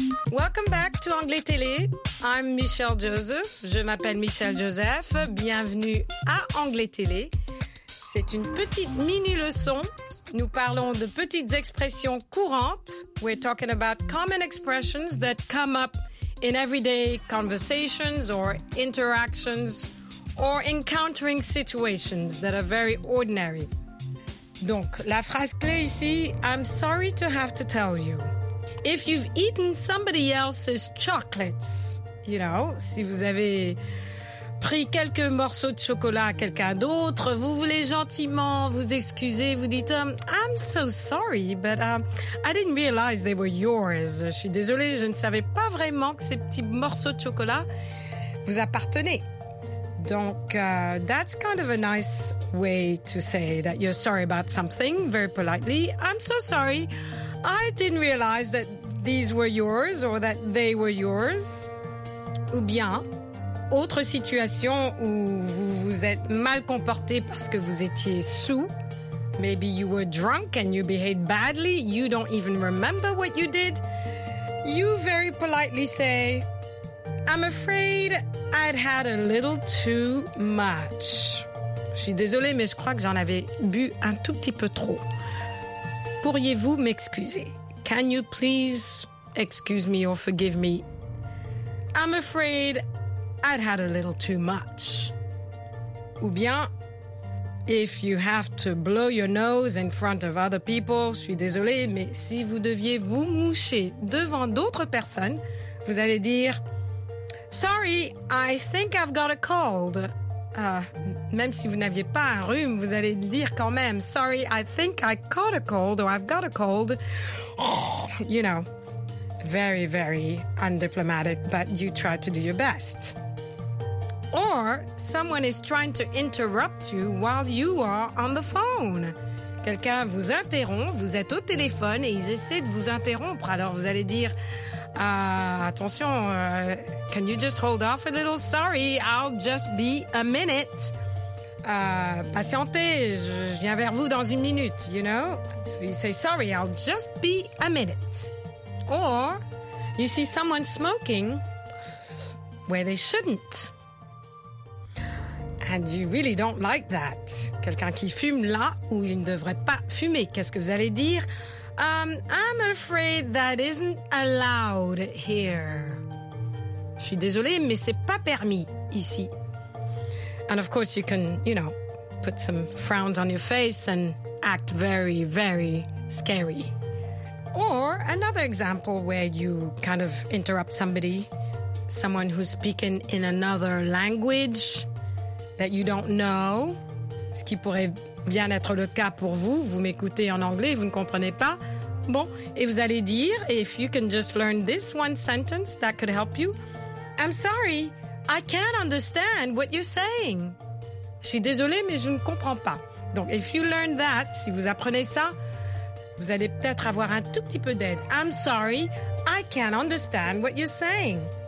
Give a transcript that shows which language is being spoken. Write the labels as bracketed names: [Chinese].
[English] Welcome back to Anglais Télé. I'm Michelle Joseph. [French] Je m'appelle Michelle Joseph. Bienvenue à Anglais Télé. C'est une petite mini-leçon. Nous parlons de petites expressions courantes. [English] We're talking about common expressions that come up in everyday conversations or interactions or encountering situations that are very ordinary. [French] Donc, la phrase clé ici, [English] I'm sorry to have to tell you. If you've eaten somebody else's chocolates, you know, [French] si vous avez pris quelques morceaux de chocolat à quelqu'un d'autre, vous voulez gentiment vous excuser, vous dites [English] I'm so sorry, but I didn't realize they were yours. [French] Je suis désolée, je ne savais pas vraiment que ces petits morceaux de chocolat vous appartenaient. [English] Donc, that's kind of a nice way to say that you're sorry about something, very politely. I'm so sorry, I didn't realize that these were yours or that they were yours. [French] Ou bien, autre situation où vous vous êtes mal comporté parce que vous étiez sous. [English] Maybe you were drunk and you behaved badly. You don't even remember what you did. You very politely say, I'm afraid I'd had a little too much. [French] Je suis désolée, mais je crois que j'en avais bu un tout petit peu trop. Pourriez-vous m'excuser? [English] Can you please excuse me or forgive me? I'm afraid I'd had a little too much. [French] Ou bien, [English] if you have to blow your nose in front of other people, [French] je suis désolée, mais si vous deviez vous moucher devant d'autres personnes, vous allez dire, [English] sorry, I think I've got a cold. [French] Même si vous n'aviez pas un rhume, vous allez dire quand même, [English] sorry, I think I caught a cold [French] or I've got a cold. [English] Oh, you know, very, very undiplomatic, but you try to do your best. Or someone is trying to interrupt you while you are on the phone. [French] Quelqu'un vous interrompt, vous êtes au téléphone et ils essaient de vous interrompre. Alors vous allez dire, attention, [English] can you just hold off a little? Sorry, I'll just be a minute. [French] Patientez, je viens vers vous dans une minute, [English] you know. So you say, sorry, I'll just be a minute. Or you see someone smoking where they shouldn't. And you really don't like that. [French] Quelqu'un qui fume là où il ne devrait pas fumer. Qu'est-ce que vous allez dire? [English] I'm afraid that isn't allowed here. [French] Je suis désolée, mais c'est pas permis ici. [English] And of course you can, you know, put some frowns on your face and act very, very scary. Or another example where you kind of interrupt somebody, someone who's speaking in another language that you don't know, [French] ce qui pourrait bien être le cas pour vous, vous m'écoutez en anglais, vous ne comprenez pas. Bon, et vous allez dire, [English] if you can just learn this one sentence, that could help you. I'm sorry, I can't understand what you're saying. [French] Je suis désolée, mais je ne comprends pas. Donc, [English] if you learn that, [French] si vous apprenez ça, vous allez peut-être avoir un tout petit peu d'aide. [English] I'm sorry, I can't understand what you're saying.